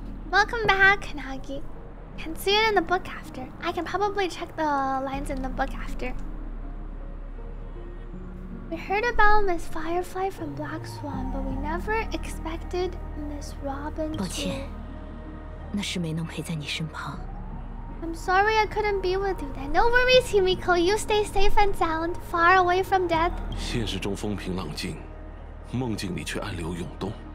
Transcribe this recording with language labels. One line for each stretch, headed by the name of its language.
English: Welcome back, Nagi. Can see it in the book after. I can probably check the lines in the book after. We heard about Miss Firefly from Black Swan, but we never expected Miss Robin to...
Chinese: 抱歉，那是没能陪在你身旁。
English: I'm sorry I couldn't be with you then. No worries, Himiko. You stay safe and sound, far away from death.
Chinese: 现实中风平浪静，梦境里却暗流涌动。